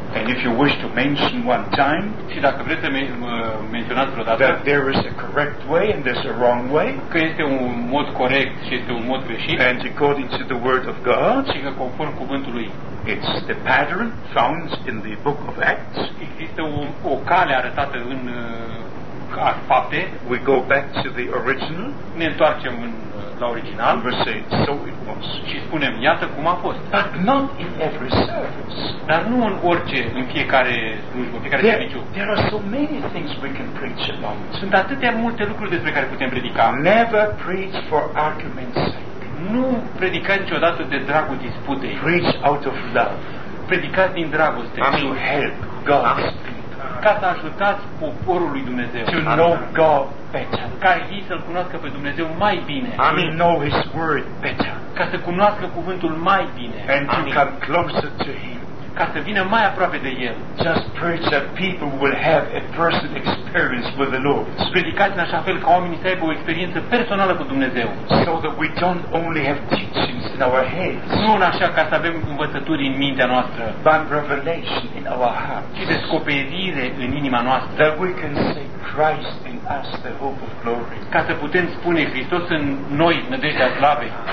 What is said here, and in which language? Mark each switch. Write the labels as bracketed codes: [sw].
[en] And if you wish to mention one time, [ro] și dacă vreți să menționați vreodată, [en] that there is a correct way and there's a wrong way, [ro] că este un mod corect și este un mod greșit, [en] and according to the word of God, [ro] și că conform cuvântului, [en] it's the pattern found in the book of Acts, [ro] există o cale arătată în fapte, [en] we go back to the original. [ro] Ne întoarcem la original. [en] Verse 8, so it was. [ro] Și spunem, iată cum a fost. [en] But not in every service. [ro] Dar nu în orice, în fiecare slujbă, fiecare serviciu. [en] There are so many things we can preach about. [ro] Sunt atâtea multe lucruri despre care putem predica. [en] Never preach for argument's sake. [ro] Nu predica niciodată de dragul disputei. [en] Preach out of love. [ro] Predicați din dragoste. [en] And to help God. [ro] Ca să ajutați poporul lui Dumnezeu. [en] To know God better. [ro] Ca ei să-L cunoască pe Dumnezeu mai bine. [en] Amin. Know His word better. [ro] Ca să cunoască cuvântul mai bine. [en] And to come closer to Him. [ro] Ca să vină mai aproape de El. [en] Just preach that people will have a personal experience with the Lord. [ro] Predicați în așa fel ca oamenii să aibă o experiență personală cu Dumnezeu. [en] So that we don't only have teachings in our heads. [ro] Nu în așa ca să avem învățături în mintea noastră. [en] But revelation in our hearts. [ro] Ci descoperire în inima noastră. [en] That we can say Christ in us, the hope of glory. [ro] Ca să putem spune Hristos în noi, nădejdea slavei.